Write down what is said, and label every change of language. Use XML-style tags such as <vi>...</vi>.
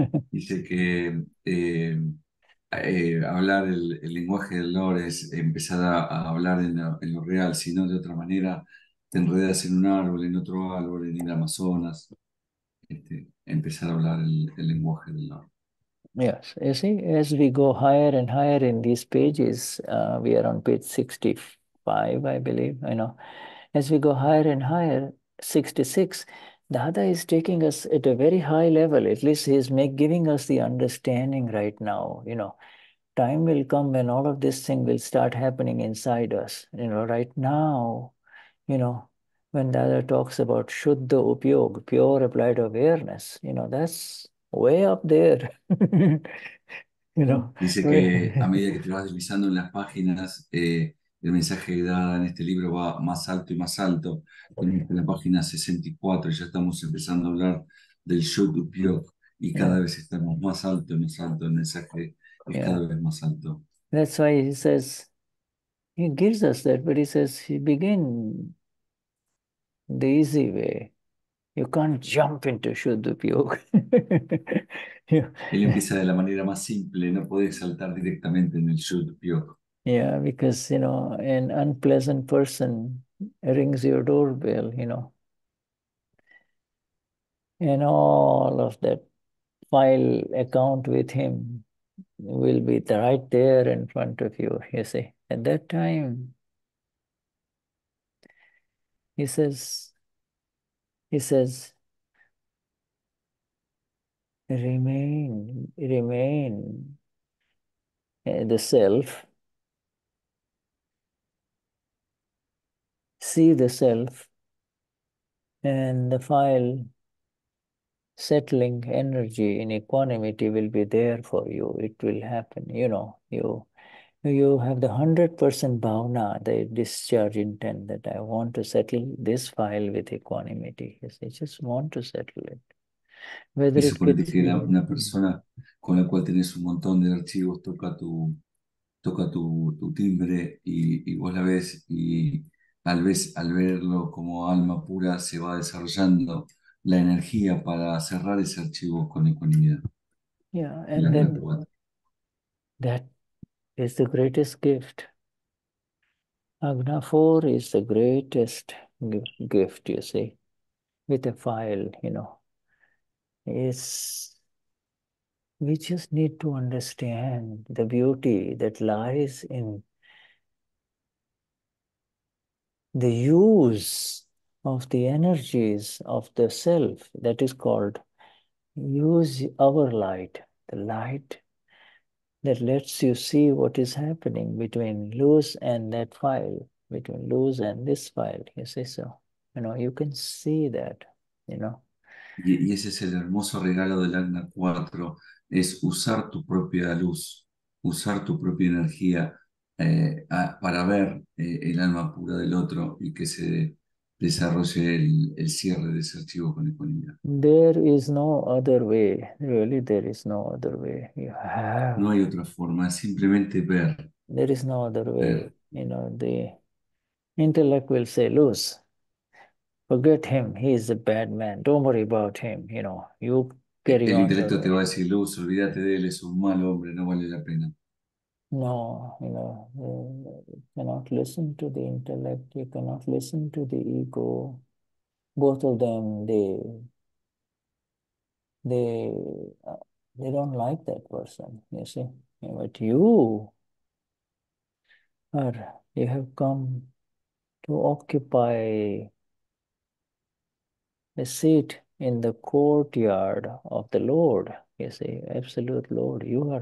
<es>Dice que hablar el lenguaje del Lord es empezar a hablar en lo real, si no de otra manera, te enredas en un árbol, en otro árbol, en el Amazonas, empezar a hablar el lenguaje del Lord.</es> <en>Yes, you see, as we go higher and higher in these pages, we are on page 65, I believe, I know. As we go higher and higher, 66, Dada is taking us at a very high level. At least he is giving us the understanding right now, you know. Time will come when all of this thing will start happening inside us. You know, right now, you know, when Dada talks about Shuddha Upyog, pure applied awareness, you know, that's way up there.</en> <es>Dice que a medida que te vas deslizando en las páginas, el mensaje dado en este libro va más alto y más alto. En la página 64 ya estamos empezando a hablar del Yuk-Yuk y cada vez estamos más alto y más alto. El mensaje es cada vez más alto.</es> <en>That's why he says, he gives us that, but he says, he begin the easy way. You can't jump into Shuddhupyog.</en> <es>Él empieza de la manera más simple, no puedes saltar directamente en el Shuddhupyog.</es> <en>Yeah, because, you know, an unpleasant person rings your doorbell, you know. And all of that file account with him will be right there in front of you, you see. At that time, he says, remain the self. See the self and the file settling energy in equanimity will be there for you. It will happen, you know. You have the 100% bhavana, the discharge intent that I want to settle this file with equanimity. Yes, I just want to settle it. Whether it gets</en> <es>que la, una persona con la cual tenés un montón de archivos toca tu timbre y vos la ves y al verlo como alma pura se va desarrollando la energía para cerrar ese archivo con equanimidad.</es> <en>Yeah, and then that is the greatest gift. Agna 4 is the greatest gift, you see, with a file, you know. It's, we just need to understand the beauty that lies in the use of the energies of the self that is called use our light, the light that lets you see what is happening between loose and that file, between loose and this file, you see. So, you know, you can see that, you know.</en> <es>Y ese es el hermoso regalo del Agna 4, es usar tu propia luz, usar tu propia energía para ver el alma pura del otro y que se desarrolle el cierre de ese archivo con equanimidad.</es> <en>There is no other way, really there is no other way. You have...</en> <es>No hay otra forma, es simplemente ver.</es> <en>There is no other way, you know, the intellect will say luz. Forget him, he is a bad man. Don't worry about him, you know. You carry</en> <es>el</es> <en>on.</en> <es>El intelecto te va a decir, Luz, olvídate de él, es un mal hombre, no vale la pena.</es> <en>No, you know, you cannot listen to the intellect, you cannot listen to the ego. Both of them, they don't like that person, you see. But you have come to occupy a seat in the courtyard of the Lord, you see, absolute Lord.</en>